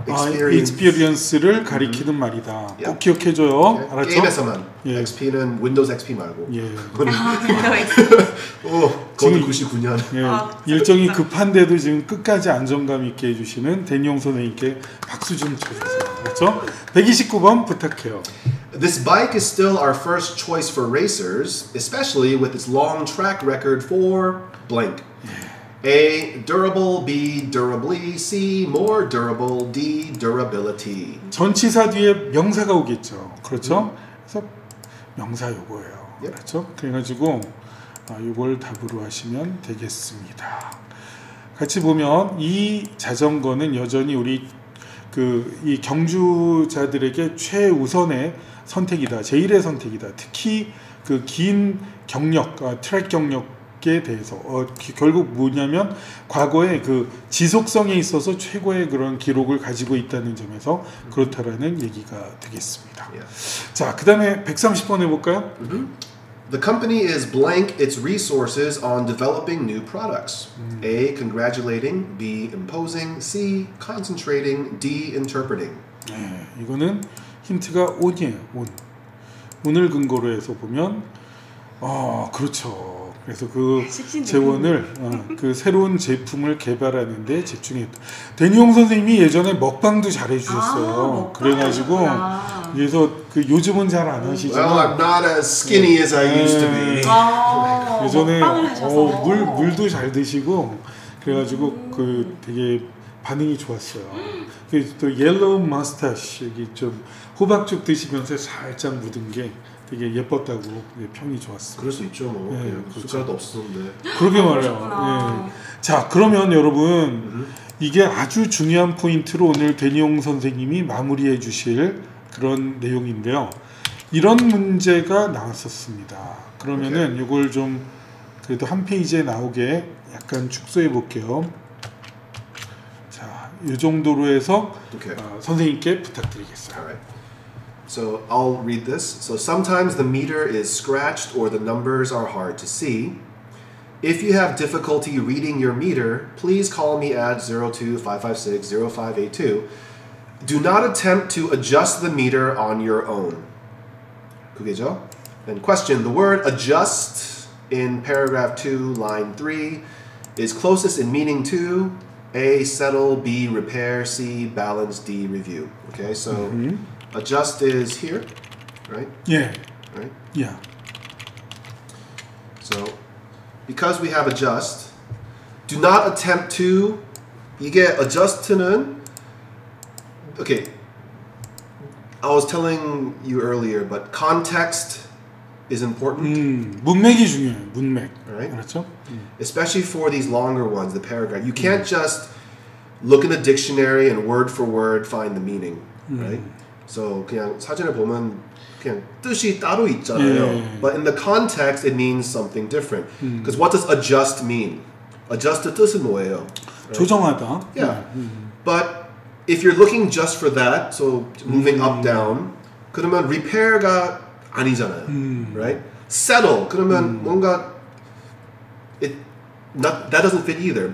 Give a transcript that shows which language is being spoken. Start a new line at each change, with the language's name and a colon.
Korean: experience를 가리키는 말이다. 꼭 기억해줘요. Okay. 알았죠? 게임에서만. 예. XP는 Windows XP 말고. 예. 그건 99년. 예. 일정이 급한데도 지금 끝까지 안정감 있게 해주시는 대니용 선생님께 박수 좀 쳐주세요. 그렇죠? 129번 부탁해요.
English: This bike is still our first choice for racers, especially with its long track record for blank. A. Durable. B. Durably. C. More durable. D. Durability.
Korean: 전치사 뒤에 명사가 오겠죠. 그렇죠? 그래서 명사 요거예요. 그렇죠? 그래가지고 요걸 답으로 하시면 되겠습니다. 같이 보면 이 자전거는 여전히 우리 그 이 경주자들에게 최우선의 선택이다. 제일의 선택이다. 특히 그 긴 경력, 트랙 경력에 대해서 결국 뭐냐면 과거의 그 지속성에 있어서 최고의 그런 기록을 가지고 있다는 점에서 그렇다라는 얘기가 되겠습니다.
English: Yeah.
Korean: 자, 그다음에 130번 해볼까요?
English: The company is blank its resources on developing new products. A. Congratulating. B. Imposing. C. Concentrating. D. Interpreting.
Korean: 네, 이거는 힌트가 온이에요. 온을 근거로 해서 보면 그렇죠. 그래서 그 재원을 그 새로운 제품을 개발하는 데 집중했다. 대니용 선생님이 예전에 먹방도 잘 해주셨어요. 그래가지고 그래서 그 요즘은 잘 안 하시지만
English: Well, I'm not as skinny as I used to be.
Korean: 예전에 물도 잘 드시고 그래가지고 그 되게 반응이 좋았어요. 그리고 또 옐로우 마스타쉬 여기 좀 호박죽 드시면서 살짝 묻은 게 되게 예뻤다고 평이 좋았어요. 그럴 수 있죠. 뭐. 네, 그렇죠. 숟가락도 없었는데. 그러게 말이에요. 네. 자, 그러면 여러분 이게 아주 중요한 포인트로 오늘 대니용 선생님이 마무리해 주실 그런 내용인데요. 이런 문제가 나왔었습니다. 그러면은 이걸 좀 그래도 한 페이지에 나오게 약간 축소해 볼게요. 이 정도로 해서
English: okay.
Korean: 선생님께 부탁드리겠습니다.
English: Alright. So I'll read this. So sometimes the meter is scratched or the numbers are hard to see. If you have difficulty reading your meter, please call me at 02-556-0582. Do not attempt to adjust the meter on your own. 그게죠? And question, the word adjust in paragraph 2, line 3 is closest in meaning to A, settle, B, repair, C, balance, D, review. Okay, so mm-hmm. adjust is here, right? Yeah. Right? Yeah. So, because we have adjust, do not attempt to,
Korean: 이게
English: adjust는, okay, I was telling you earlier, but context is important.
Korean: 문맥이 중요해요. 문맥.
English: All right?
Korean: 그렇죠?
English: Especially for these longer ones, the paragraph. You can't just look in the dictionary and word for word find the meaning. Right? So
Korean: 그냥 사진을 보면 그냥 뜻이 따로 있잖아요. 예.
English: But in the context, it means something different. Because what does adjust mean?
Korean: Adjust의 뜻은 뭐예요?
English: Right?
Korean: 조정하다.
English: Yeah. But if you're looking just for that, so moving up, down,
Korean: 그러면 repair가 아니잖아요.
English: Right? Settle.
Korean: 그러면 뭔가
English: that doesn't fit either.